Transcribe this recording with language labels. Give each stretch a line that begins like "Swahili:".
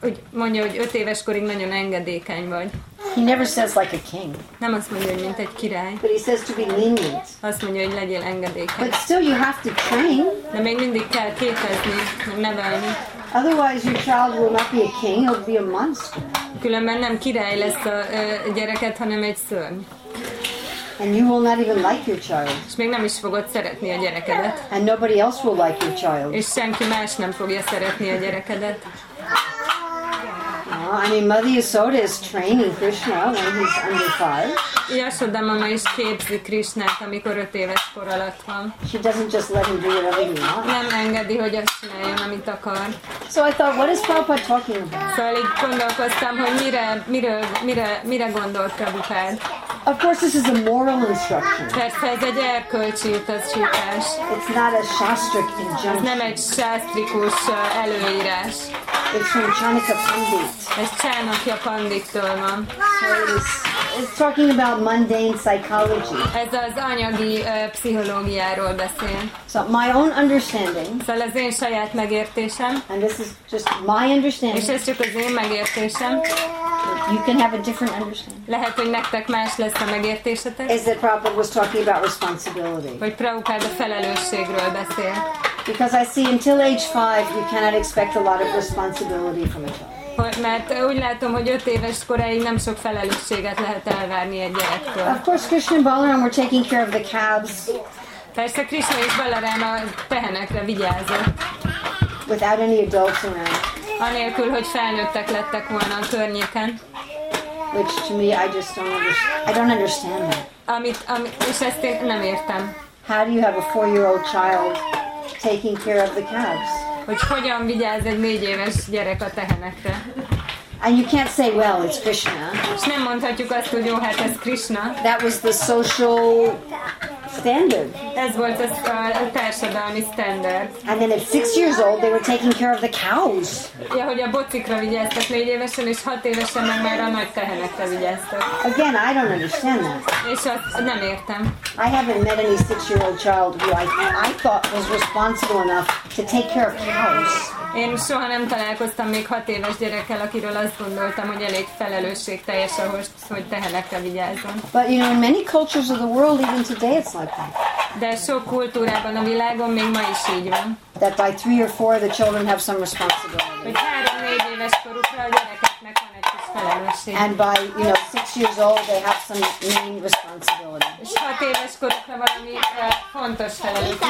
Hungarian: Mondja, hogy öt éves korig nagyon engedékeny vagy.
English: He never says like a king.
Hungarian: Nem azt mondja, hogy mint egy király.
English: But he says to be lenient.
Hungarian: Azt mondja, hogy legyél engedékeny.
English: But still you have to train.
Hungarian: De még mindig kell képezni, nevelni.
English: Otherwise your child will not be a king, he'll be a monster.
Hungarian: Különben nem király lesz a gyereket, hanem egy szörny.
English: And you will not even like your child.
Hungarian: És még nem is fogod szeretni a gyerekedet.
English: And nobody else will like your child.
Hungarian: És senki más nem fogja szeretni a gyerekedet.
English: I mean, Mother Yasoda is training Krishna when he's under five.
Hungarian: Yasoda mama is képzi Krishnát, amikor öt éves kor alatt van.
English: She doesn't just let him do whatever he wants.
Hungarian: Nem engedi, hogy azt csináljon, amit akar.
English: So I thought, what is Prabhupada talking about?
Hungarian: Szóval így gondolkoztam, hogy mire gondolt Prabhupada.
English: Of course, this is a moral instruction.
Hungarian: Persze, ez egy erkölcsi utasítás.
English: It's not a shastric injunction.
Hungarian: Nem egy sásztrikus előírás.
English: It's from Chanakya Pandit.
Hungarian: Ez Chanakya Pandittól van.
English: It's talking about mundane psychology.
Hungarian: Ez az anyagi pszichológiáról beszél.
English: So my own understanding.
Hungarian: Szóval az én saját megértésem.
English: And this is just my understanding.
Hungarian: És ez csak az én megértésem.
English: You can have a different understanding.
Hungarian: Lehet, hogy nektek más lesz a megértésetek.
English: Is that Prabhupada was talking about responsibility?
Hungarian: Vagy Prabhupada felelősségről beszél.
English: Because I see until age five, you cannot expect a lot of responsibility from a child.
Hungarian: Mert úgy látom, hogy öt éves koráig nem sok felelősséget lehet elvárni egy gyerektől.
English: Of course, Krishna and Balaram were taking care of the calves.
Hungarian: Persze Krishna és Balaram a tehenekre vigyázott.
English: Without any adults around.
Hungarian: Anélkül, hogy felnőttek lettek volna a környéken.
English: Which to me, I just don't understand. I don't understand that.
Hungarian: És ezt én nem értem.
English: How do you have a four-year-old child taking care of the calves?
Hungarian: Hogy hogyan vigyáz egy négy éves gyerek a tehenekre?
English: And you can't say, well, it's Krishna.
Hungarian: És nem mondhatjuk azt, hogy jó, hát ez Krishna.
English: That was the social standard.
Hungarian: Ez volt a társadalmi standard.
English: And then at 6 years old, they were taking care of the cows.
Hungarian: Ja, hogy a bocikra vigyáztak négy évesen, és hat évesen meg már a nagy tehenekre vigyáztak.
English: Again, I don't understand that.
Hungarian: És azt nem értem.
English: I haven't met any 6-year-old child who I thought was responsible enough to take care of cows.
Hungarian: Én soha nem találkoztam még hat éves gyerekkel, akiről azt gondoltam, hogy elég felelősségteljes ahhoz, hogy tehenekre vigyázzon.
English: But you know, in many cultures of the world, even today, it's like that.
Hungarian: De sok kultúrában a világon még ma is így van.
English: That by 3 or 4, the children have some responsibility.
Hungarian: Hogy 3-4 éves korukra a gyerekeknek van egy kis felelősség.
English: And by, you know, 6 years old, they have some main responsibility.
Hungarian: És hat éves korukra valami fontos felelősség.